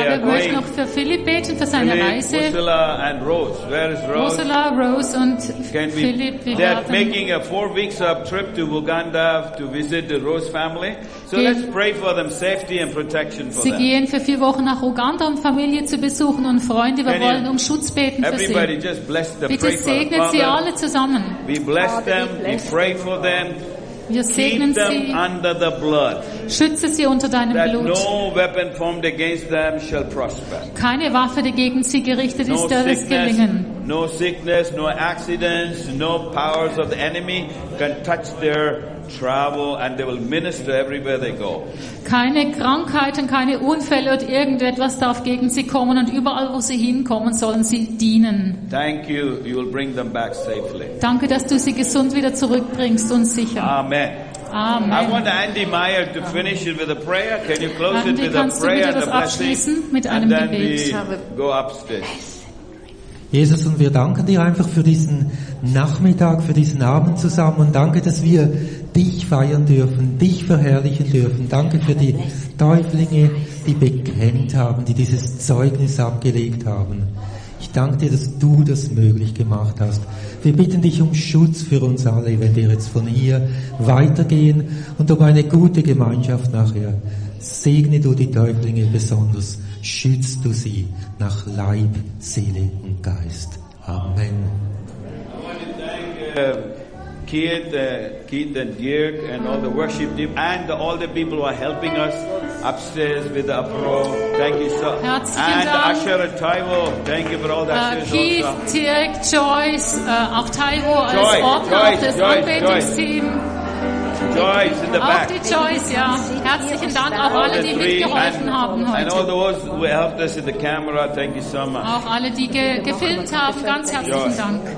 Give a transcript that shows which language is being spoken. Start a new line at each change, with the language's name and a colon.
German: Möchte noch für Philip beten für seine Reise.
English: Ursula and Rose. Where is Rose?
German: Ursula, Rose und Philip.
English: They are making a 4 weeks of trip to Uganda to visit the Rose family. So let's pray for them, safety and protection for them.
German: Sie gehen für 4 Wochen nach Uganda, um Familie zu besuchen und Freunde. Wir wollen um Schutz beten für sie.
English: Everybody just bless them.
German: Bitte segnet sie alle zusammen.
English: We bless them. We pray for them.
German: Wir segnen sie.
English: Keep them under the blood.
German: Schütze sie unter deinem
English: that
German: Blut.
English: That no weapon formed against them shall prosper.
German: Keine Waffe, die gegen sie gerichtet ist, soll es gelingen.
English: No sickness, no accidents, no powers of the enemy can touch their travel, and they will minister everywhere they go.
German: Keine Krankheiten, keine Unfälle oder irgendetwas darf gegen sie kommen, und überall, wo sie hinkommen, sollen sie dienen.
English: Thank you. You will bring them back safely.
German: Danke, dass du sie gesund wieder zurückbringst und sicher.
English: Amen.
German: Amen.
English: I want Andy Meyer to finish it with a prayer. Can you close Andy, it with a prayer and a blessing?
German: Mit einem
English: and then
German: Gebet.
English: We go upstairs.
German: Jesus, und wir danken dir einfach für diesen Nachmittag, für diesen Abend zusammen, und danke, dass wir dich feiern dürfen, dich verherrlichen dürfen. Danke für die Täuflinge, die bekennt haben, die dieses Zeugnis abgelegt haben. Ich danke dir, dass du das möglich gemacht hast. Wir bitten dich um Schutz für uns alle, wenn wir jetzt von hier weitergehen, und um eine gute Gemeinschaft nachher. Segne du die Täuflinge besonders. Schützt du sie nach Leib, Seele und Geist. Amen.
English: I want to thank Keith and Dirk and all the worship team and all the people who are helping us upstairs with the uproar. Thank you so much. And Asher and Taiwo, thank you for all that. Keith, also.
German: Dirk, Joyce, auch Taiwo als Ordner auf das Anbetungsteam.
English: Joyce in the back.
German: Auch die Joyce, ja. Herzlichen Dank auch alle, die mitgeholfen haben heute.
English: And all those who helped us in the camera, thank you so much.
German: Auch alle, die gefilmt haben, ganz herzlichen Dank.